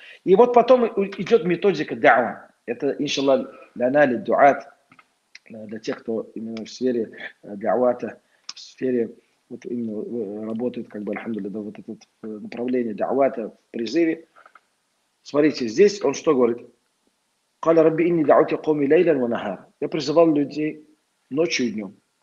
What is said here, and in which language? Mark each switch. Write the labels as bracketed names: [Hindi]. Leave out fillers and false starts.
[Russian] И вот потом идет методика да'ва. Это, иншалла, ланали дуат, для тех, кто именно в сфере да'вата, в сфере, вот именно работает, как бы, альхамдулилля, вот это направление да'вата в призыве. Смотрите, здесь он что говорит? [Arabic] قال ربي إني دعوت قومي ليلا ونهارا. [Russian] Я призывал людей ночью и днем.